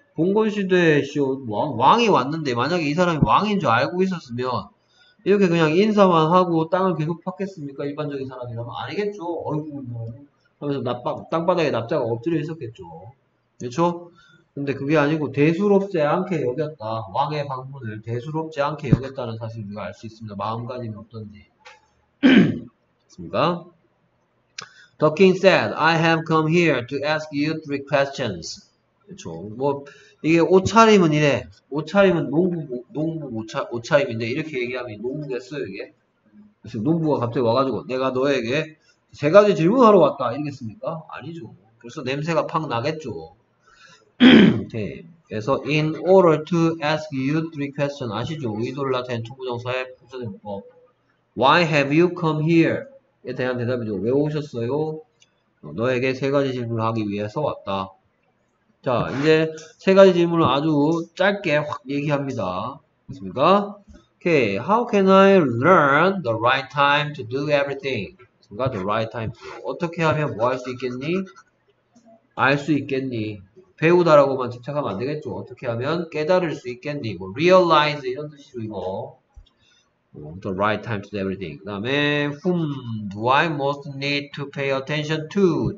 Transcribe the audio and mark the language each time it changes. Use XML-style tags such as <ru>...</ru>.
<ko>봉건 시대에 왕이 왔는데 만약에 이 사람이 왕인 줄 알고 있었으면 이렇게 그냥 인사만 하고 땅을 계속 팠겠습니까? 일반적인 사람이라면 아니겠죠. 어이구 뭐 하면서 땅바닥에 납작 엎드려 있었겠죠. 그렇죠? 근데 그게 아니고 대수롭지 않게 여겼다. 왕의 방문을 대수롭지 않게 여겼다는 사실을 우리가 알수 있습니다. 마음가짐이 어떤지. 맞습니까?</ko> <en>The king said, I have come here to ask you three questions.</en> <ko>그렇죠. 뭐 이게 옷차림은 이래. 옷차림은 농부 옷차림인데 이렇게 얘기하면 농부겠어요 이게. 그래서 농부가 갑자기 와가지고 내가 너에게 세 가지 질문하러 왔다 이러겠습니까? 아니죠. 그래서 냄새가 팍 나겠죠. 오케이. 그래서</ko> <en>in order to ask you three questions</en> <ko>아시죠? 의도를 나타낸 투부정사의 부정사법.</ko> <en>Why have you come here?</en> <ko>에 대한 대답이죠. 왜 오셨어요? 너에게 세 가지 질문을 하기 위해서 왔다. 자, 이제 세 가지 질문을 아주 짧게 확 얘기합니다. 맞습니까?</ko> <en>Okay, how can I learn the right time to do everything? 뭔가 the right time.</en> <ko>어떻게 하면 뭐할수 있겠니? 알수 있겠니? 배우다라고만 집착하면 안 되겠죠. 어떻게 하면 깨달을 수 있겠니?</ko> <en>뭐, realize</en> <ko>이런 뜻이고 이거.</ko> <en>The right time to everything.</en> <ko>그 다음에</ko> <en>whom do I most need to pay attention to?</en>